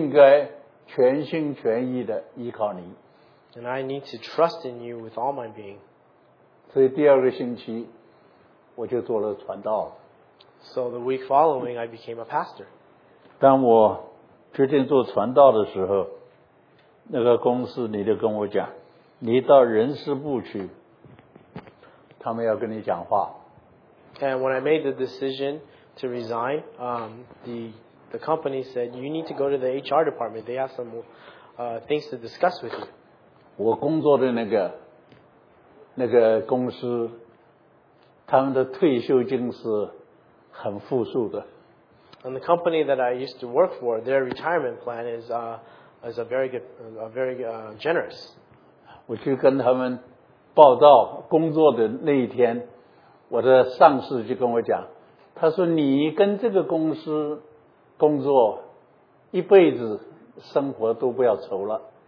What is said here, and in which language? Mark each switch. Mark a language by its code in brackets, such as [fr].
[zh] 我应该全心全意地依靠你。 [en] And I need to trust in you with all my being. [zh] 所以第二个星期, 我就做了传道。 [en] So the week following, I became a pastor. [zh] 当我决定做传道的时候, 那个公司你就跟我讲, 你到人事部去, 他们要跟你讲话。 [en] And when I made the decision to resign, the company said, you need to go to the HR department. They have some things to discuss with you. [zh] 我工作的那个公司, 他们的退休金是很富庶的。 [en] And the company that I used to work for, their retirement plan is a very good, generous. [zh] 我去跟他们报道工作的那一天, 我的上司就跟我讲, 他说你跟这个公司工作一辈子生活都不要愁了。